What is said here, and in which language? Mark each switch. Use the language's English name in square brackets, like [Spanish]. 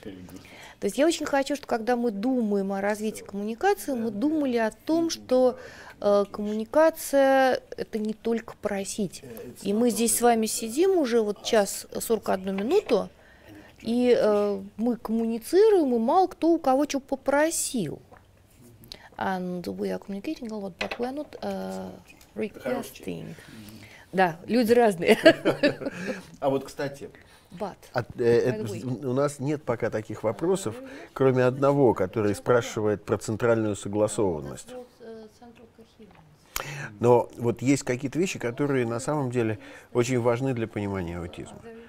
[Russian] То есть я очень хочу, чтобы когда мы думаем о развитии коммуникации, мы думали о том, что коммуникация – это не только просить. И мы здесь с вами сидим уже вот час 41 минуту, и мы коммуницируем, и мало кто у кого что попросил. [English] And we are communicating a lot, but we are not requesting. [Russian] Да, люди разные. А вот, кстати, у нас нет пока таких вопросов, кроме одного, который спрашивает про центральную согласованность. Но вот есть какие-то вещи, которые на самом деле очень важны для понимания аутизма.